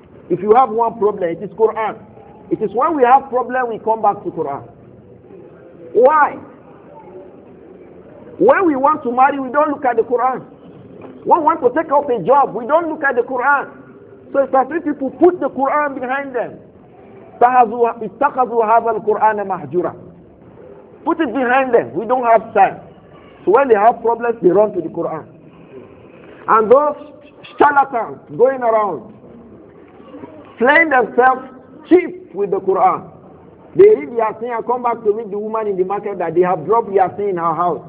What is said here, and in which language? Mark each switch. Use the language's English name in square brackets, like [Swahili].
[English] If you have one problem, it is Quran. It is when we have problem, we come back to Quran. Why? When we want to marry, we don't look at the Quran. When we want to take up a job, we don't look at the Quran. So it's as if people put the Quran behind them. [Arabic] اتخذوا هذا القرآن مهجورا. [English] Put it behind them. We don't have time. So when they have problems, they run to the Quran. And those charlatans going around, playing themselves cheap with the Quran. They read Yasin and come back to meet the woman in the market that they have dropped Yasin in her house.